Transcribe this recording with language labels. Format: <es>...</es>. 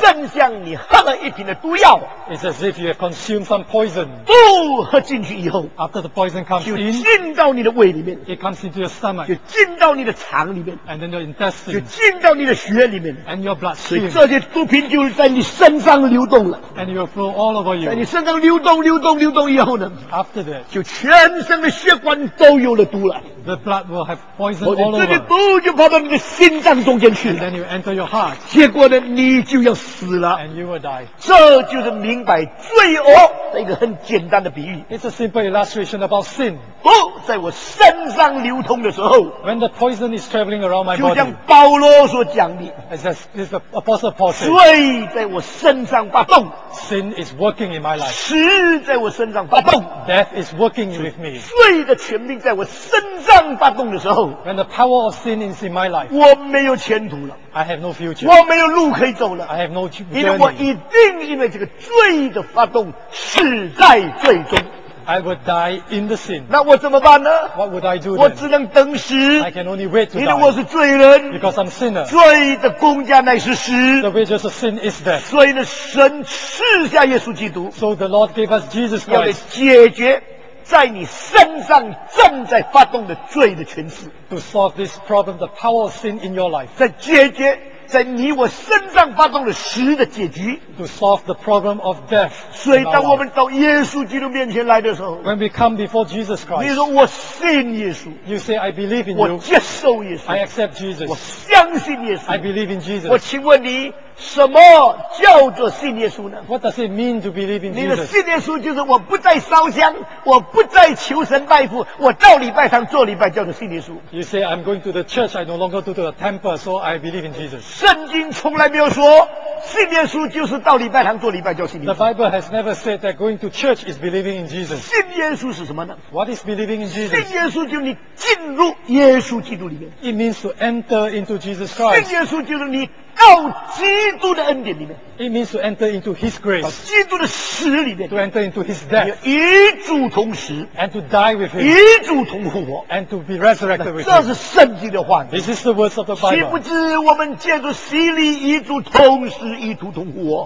<zh>正像你喝了一瓶的毒药。</zh> <en>It's as if you have consumed some poison.</en> <zh>毒喝进去以后</zh> <en>，After the poison comes in,</en> <zh>就进到你的胃里面。</zh> <en>It comes into your stomach.</en> <zh>就进到你的肠里面。</zh> <en>And then your intestine.</en> <zh>就进到你的血里面。</zh> <en>And your bloodstream.</en> <zh>所以这些毒品就在你身上流动了。</zh> <en>And it will flow all over you.</en> <zh>在你身上流动、流动、流动以后呢</zh> <en>？After that,</en> <zh>就全身的血管都有了毒了。</zh> <en>The blood will have poison all over.</en> <zh>这些毒就跑到你的心脏中间去了。</zh> <en>And then you enter your heart.</en> <zh>结果呢，你就要死了。</zh> <en>And you will die.</en> <zh>这就是明白罪恶的一个很简单的比喻。</zh> <en>It's a simple illustration about sin.</en> <zh>毒在我身上流通的时候</zh> <en>，When the poison is traveling around my body,</en> <zh>就像保罗所讲的</zh> <en>，It's the apostle Paul.</en> <zh>罪在我身上发动。</zh> <en>Sin is working in my life.</en> <zh>死在我身上发动。</zh> <en>Death is working with me.</en> <zh>罪的权柄在我身上发动的时候</zh> <en>，When the power of sin is in my life,</en> <zh>我没有前途了。</zh> <en>I have no future.</en> <zh>我没有路可以走了。</zh> <en>I have no journey.</en> <zh>因为我一定因为这个罪的发动死在罪中。</zh> <en>I would die in the sin.</en> <zh>那我怎么办呢</zh> <en>？What would I do?</en> <zh>我只能等死。</zh> <en>I can only wait to die.</en> <zh>因为我是罪人。</zh> <en>Because I'm sinner.</en> <zh>罪的工价乃是死。</zh> <en>The wages of sin is death.</en> <zh>所以呢，神赐下耶稣基督。</zh> <en>So the Lord gave us Jesus Christ.</en> <zh>要来解决在你身上正在发动的罪的权势。</zh> <en>To solve this problem, the power of sin in your life.</en> <zh>在解决。在你我身上发动了死的结局</zh> <en>to solve the problem of death</en> <zh>所以当我们到耶稣基督面前来的时候</zh> <en>when we come before Jesus Christ</en> <zh>你说我信耶稣</zh> <en>you say I believe in you</en> <zh>我接受耶稣</zh> <en>I accept Jesus</en> <zh>我相信耶稣</zh> <en>I believe in Jesus</en> <zh>我请问你什么叫做信耶稣呢</zh> <en>what does it mean to believe in Jesus</en> <zh>你的信耶稣就是我不再烧香我不再求神拜佛我到礼拜堂做礼拜叫做信耶稣</zh> <en>you say I'm going to the church I no longer go to the temple so I believe in Jesus</en> <zh>圣经从来没有说信耶稣就是到礼拜堂做礼拜叫信耶稣</zh> <en>the Bible has never said that going to church is believing in Jesus</en> <zh>信耶稣是什么呢</zh> <en>what is believing in Jesus</en> <zh>信耶稣就是你进入耶稣基督里面</zh> <en>it means to enter into Jesus Christ</en> <zh>信耶稣就是你到基督的恩典里面</zh> <en>It means to enter into His grace</en> <zh>到基督的死里面</zh> <en>To enter into His death</en> <zh>与主同死</zh> <en>And to die with Him</en> <zh>与主同活</zh> <en>And to be resurrected with Him</en> <zh>这是圣经的话</zh> <en>This is the words of the Bible</en> <zh>岂不知我们借着洗礼与主同死与主同活</zh>